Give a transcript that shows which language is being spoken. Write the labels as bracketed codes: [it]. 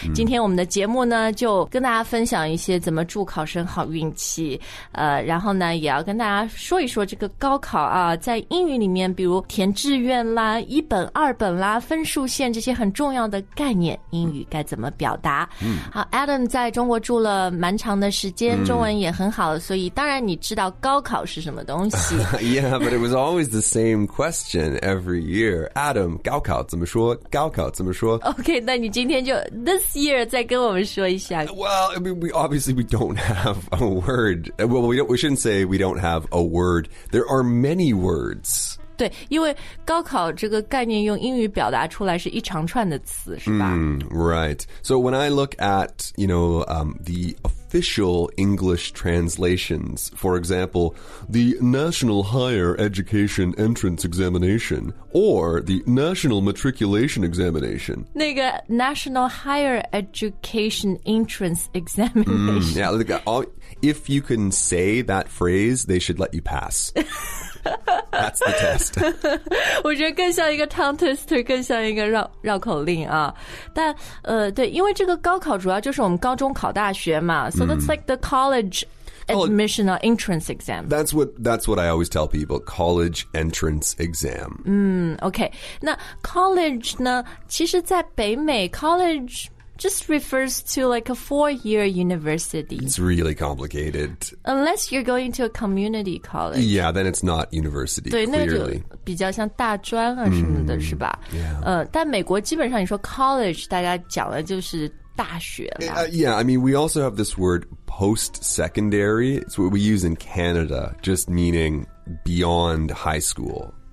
[zh] 今天我们的节目呢，就跟大家分享一些怎么祝考生好运气，然后呢，也要跟大家说一说这个高考啊，在英语里面，比如填志愿啦、一本、二本啦、分数线这些很重要的概念，英语该怎么表达？好 ，Adam 在中国住了蛮长的时间，中文也很好，所以当然你知道高。考是什么东西 [en] Yeah, but it was always the same question every year. [zh] Adam, 高考怎么说？高考怎么说？OK, 那你今天就 [en] this year [zh] 再跟我们说一下。 [en] Well, I mean, we don't have a word. Well, we shouldn't say we don't have a word. There are many words. [zh] 对，因为高考这个概念用英语表达出来是一长串的词，是吧？ [en] Right. So when I look at, you know, the official English translations, for example, the National Higher Education Entrance Examination or the National Matriculation Examination. 那个 National Higher Education Entrance Examination. Yeah, if you can say that phrase, they should let you pass. That's the test. [zh] 我觉得更像一个 [en] tongue twister, [zh] 更像一个 绕口令啊。但对，因为这个高考主要就是我们高中考大学嘛。 [en] So that's like the college admission or entrance exam. That's what I always tell people, college entrance exam. [zh] Okay. 那 college 呢，其实在北美 college... [en] just refers to like a four-year university. It's really complicated. Unless you're going to a community college. Yeah, then it's not university, [zh] 对 [en] clearly. [zh] 那就比较像大专啊什么的是吧、 [en] yeah. [zh] 但美国基本上你说 college, 大家讲的就是大学了。 [en] Yeah, I mean, we also have this word post-secondary. It's what we use in Canada, just meaning beyond high school.